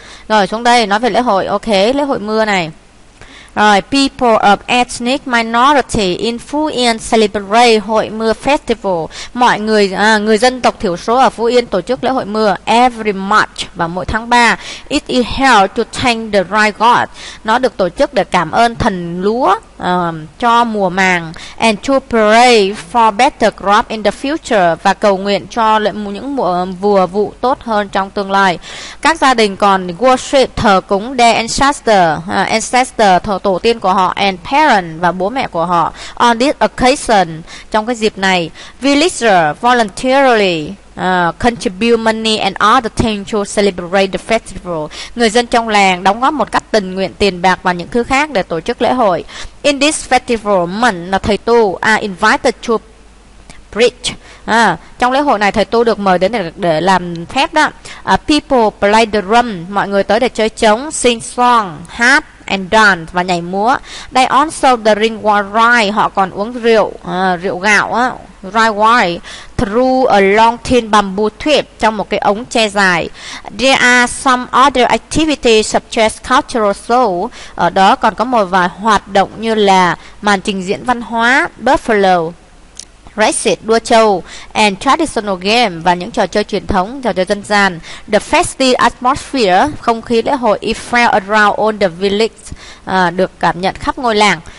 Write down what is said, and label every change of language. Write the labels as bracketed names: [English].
[Vietnamese] Rồi, xuống đây nói về lễ hội. Ok, lễ hội mưa này. Rồi, [English] people of ethnic minority in Phú Yên celebrate hội mưa festival. [Vietnamese] Mọi người, người dân tộc thiểu số ở Phú Yên tổ chức lễ hội mưa [English] every March [Vietnamese] và mỗi tháng 3. [English] It is held to thank the rain god. [Vietnamese] Nó được tổ chức để cảm ơn thần lúa cho mùa màng. [English] And to pray for better crop in the future. [Vietnamese] Và cầu nguyện cho những mùa vụ tốt hơn trong tương lai. Các gia đình còn [English] worship, [Vietnamese] thờ cúng [English] their ancestor, [Vietnamese] tổ tiên của họ, [English] and parent [Vietnamese] và bố mẹ của họ. [English] On this occasion, [Vietnamese] trong cái dịp này, [English] villagers voluntarily contribute money and other things to celebrate the festival. [Vietnamese] Người dân trong làng đóng góp một cách tình nguyện tiền bạc và những thứ khác để tổ chức lễ hội. [English] In this festival, [Vietnamese] mình là thầy tu [English] are invited to preach. [Vietnamese] Trong lễ hội này thầy tu được mời đến để làm phép đó. [English] People play the drum. [Vietnamese] Mọi người tới để chơi trống, [English] sing song, [Vietnamese] hát [English] and dance [Vietnamese] và nhảy múa. [English] They also drink rye. [Vietnamese] Họ còn uống rượu, rượu gạo á, [English] rye wine, through a long thin bamboo tube, [Vietnamese] trong một cái ống tre dài. [English] There are some other activities such as cultural show. [Vietnamese] Ở đó còn có một vài hoạt động như là màn trình diễn văn hóa, [English] buffalo race, [Vietnamese] đua trâu, [English] and traditional game [Vietnamese] và những trò chơi truyền thống, trò chơi dân gian. [English] The festive atmosphere, [Vietnamese] không khí lễ hội, [English] it felt around all the village, [Vietnamese] được cảm nhận khắp ngôi làng.